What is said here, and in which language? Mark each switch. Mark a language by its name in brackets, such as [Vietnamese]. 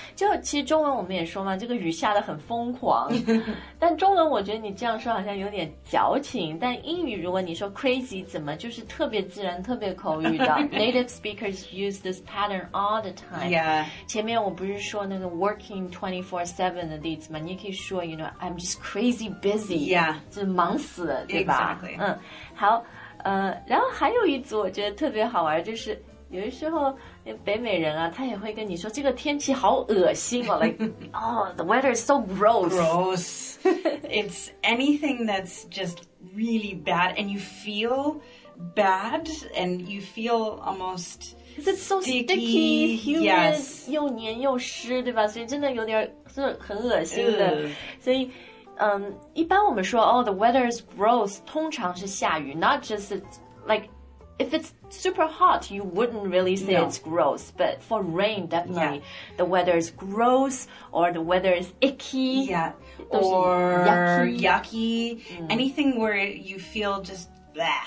[Chinese] 就其实中文我们也说嘛，这个雨下得很疯狂。但中文我觉得你这样说好像有点矫情。但英语如果你说 crazy 怎么就是特别自然特别口语的。 [English] Native speakers use this pattern all the time. Yeah. [Chinese] 前面我不是说那个 working 24/7的例子嘛，你可以说 [English] you know, I'm just crazy busy. Yeah. [Chinese] 就是忙死了，对吧？ [English] Exactly. [Chinese] 嗯，好，然后还有一组我觉得特别好玩，就是有的时候北美人啊，他也会跟你说这个天气好恶心哦， [English] like, oh, the weather is so gross. Gross. It's anything that's just really bad and you feel bad and you feel almost Because it's so sticky, humid, yes. [Chinese] 又黏又湿，对吧？所以真的有点是很恶心的。所以，一般我们说 ， [English] Oh, the weather is gross. [Chinese] 通常是下雨 [English] ，not just like if it's super hot, you wouldn't really say it's gross. But for rain, definitely, the weather is gross or the weather is icky. Yeah, or yucky. Anything where you feel just. Blah.